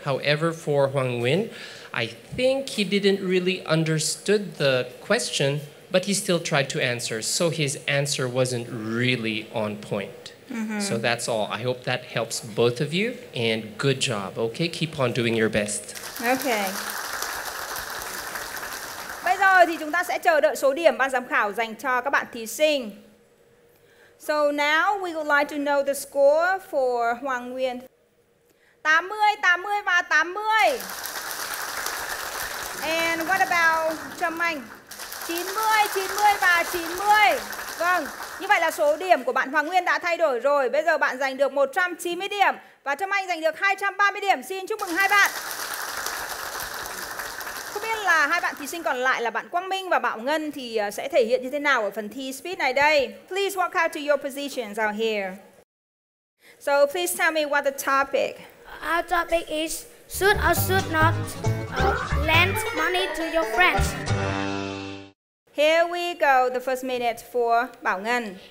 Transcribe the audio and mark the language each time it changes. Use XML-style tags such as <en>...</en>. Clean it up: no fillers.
<en>However, for Huang Win, I think he didn't really understood the question, but he still tried to answer. So his answer wasn't really on point. Mm-hmm. So that's all. I hope that helps both of you and good job. Okay, keep on doing your best. Okay.</en> <vi>Bây giờ thì chúng ta sẽ chờ đợi số điểm ban giám khảo dành cho các bạn thí sinh.</vi> <en>So now we would like to know the score for Hoàng Nguyên.</en> <vi>80, 80 và 80.</vi> <en>And what about Trâm Anh?</en> <vi>90, 90 và 90. Vâng, như vậy là số điểm của bạn Hoàng Nguyên đã thay đổi rồi. Bây giờ bạn giành được 190 điểm và Trâm Anh giành được 230 điểm. Xin chúc mừng hai bạn. Không biết là hai bạn thí sinh còn lại là bạn Quang Minh và Bảo Ngân thì sẽ thể hiện như thế nào ở phần thi speed này đây.</vi> <en>Please walk out to your positions out here. So please tell me what the topic. Our topic is should or should not lend money to your friends. Here we go, the first minute for Bảo Ngân.</en>